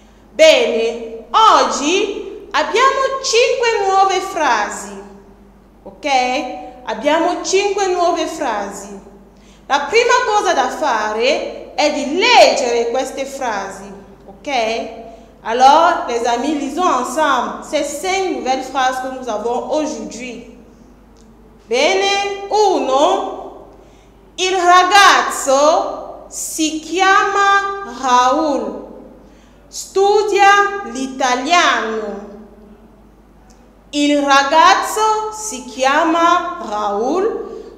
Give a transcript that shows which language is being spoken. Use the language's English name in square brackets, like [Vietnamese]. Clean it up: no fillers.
[Italian] Bene, oggi abbiamo 5 nuove frasi, ok? Abbiamo 5 nuove frasi. La prima cosa da fare è di leggere queste frasi, ok? [French] Alors, les amis, lisons ensemble ces 5 nouvelles phrases que nous avons aujourd'hui. [Italian] Bene, 1. Il ragazzo si chiama Raul. Studia l'italiano. Il ragazzo si chiama Raul.